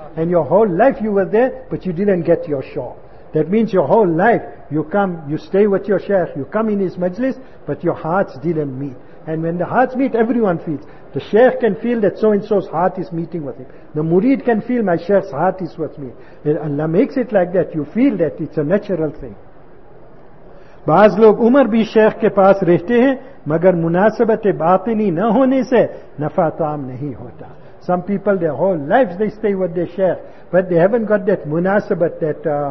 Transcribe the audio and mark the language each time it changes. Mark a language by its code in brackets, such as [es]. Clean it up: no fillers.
[en] And your whole life you were there, but you didn't get your shore. That means your whole life, you come, you stay with your sheikh, you come in his majlis, but your hearts didn't meet. And when the hearts meet, everyone feels. The sheikh can feel that so-and-so's heart is meeting with him. The murid can feel, my sheikh's heart is with me. And Allah makes it like that, you feel that it's a natural thing. [ur] بعض لوگ عمر بھی شیخ کے پاس رہتے ہیں مگر مناسبت باطنی نہ ہونے سے نفع تام نہیں ہوتا. [en] Some people their whole lives they stay with their sheikh but they haven't got that مناسبت, that